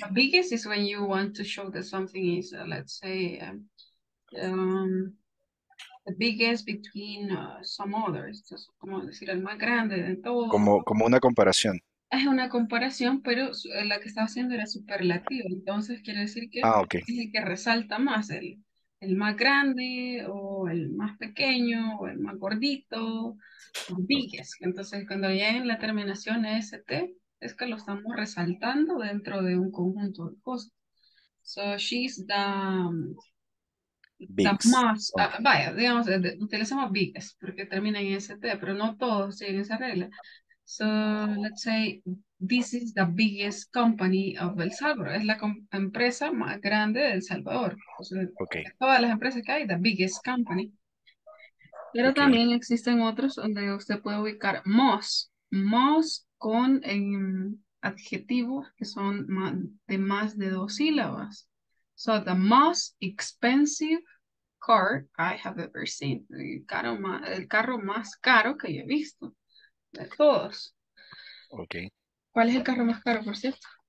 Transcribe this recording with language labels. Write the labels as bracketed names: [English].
[English] The biggest is when you want to show that something is, let's say, the biggest between some others. [Spanish] Como decir el más grande de todos. Como una comparación. Es una comparación, pero la que estaba haciendo era superlativa. Entonces quiere decir que es el que resalta más, el más grande, o el más pequeño, o el más gordito, biggest. Entonces, cuando ya en la terminación EST, es que lo estamos resaltando dentro de un conjunto de cosas. [English] So, she's the... Biggest. [Spanish] Utilizamos biggest, porque termina en EST, pero no todos siguen esa regla. [English] So, let's say, this is the biggest company of El Salvador. [Spanish] Es la empresa más grande de El Salvador. Todas las empresas que hay, [English] the biggest company. [Spanish] Pero también existen otros donde usted puede ubicar most. Most con adjetivos que son de más de dos sílabas. [English] So, the most expensive car I have ever seen. [Spanish] El carro más caro que yo he visto. De todos. Ok. ¿Cuál es el carro más caro, por cierto?